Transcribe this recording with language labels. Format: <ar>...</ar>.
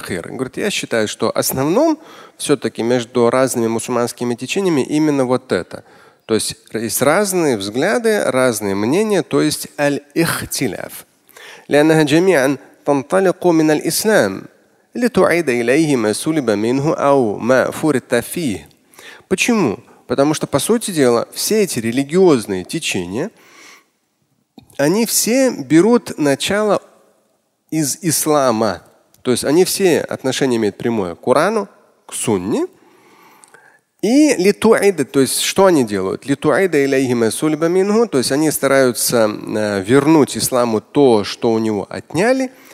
<ru>Он говорит, я считаю, что основным все-таки между разными мусульманскими течениями именно вот это. То есть есть разные взгляды, разные мнения, то есть аль-ихтиляф.</ru> <ar>لأنها جميعا تنطلق من الإسلام. لتعيد إليه ما سلب منه أو ما فرط فيه.</ar> <ru>Почему? Потому что, по сути дела, все эти религиозные течения, они все берут начало из ислама. То есть они все отношения имеют прямое к Корану, к Сунне. И لتعيد, то есть что они делают?</ru> <ar>لتعيد إليه ما سلب منه,</ar> <ru>то есть они стараются вернуть исламу то, что у него отняли.</ru>